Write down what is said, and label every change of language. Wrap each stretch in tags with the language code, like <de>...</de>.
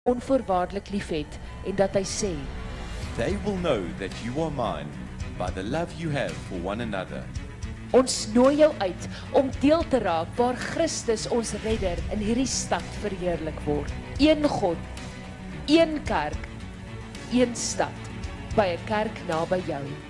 <af>onvoorwaardelijk liefhet en dat hij sê,</af> <en>they will know that you are mine by the love you have for one another.</en> <af>Ons nooi jou uit om deel te raak waar Christus ons redder in hierdie stad verheerlik word. Een God, een kerk, een stad, by 'n kerk naby jou.</af>